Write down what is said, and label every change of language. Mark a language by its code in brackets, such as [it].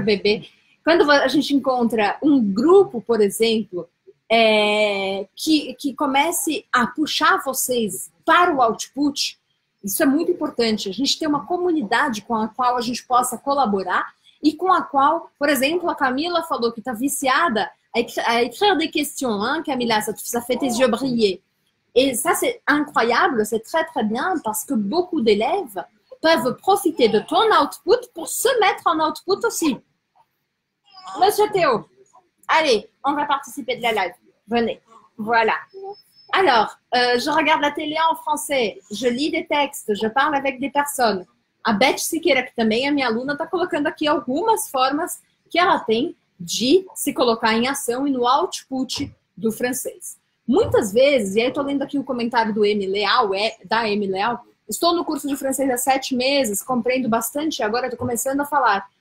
[pt] Bebê, quando a gente encontra um grupo, por exemplo, que comece a puxar vocês para o output, isso é muito importante, a gente ter uma comunidade com a qual a gente possa colaborar e com a qual, por exemplo, a Camila falou que está viciada a [fr] écrire des questions, hein, Camila, ça fait tes yeux briller. Et ça, c'est incroyable, c'est très, très bien, parce que beaucoup d'élèves peuvent profiter de ton output pour se mettre en output aussi. Monsieur Théo, allez, on va participer de la live. Venez. Voilà. Alors, je regarde la télé en français, je lis des textes, je parle avec des personnes. [pt] A Beth Siqueira, que também é minha aluna, está colocando aqui algumas formas que ela tem de se colocar em ação e no output do francês. Muitas vezes, e aí estou lendo aqui o comentário do M. Leal, da M. Leal, estou no curso de francês há 7 meses, compreendo bastante, agora estou começando a falar.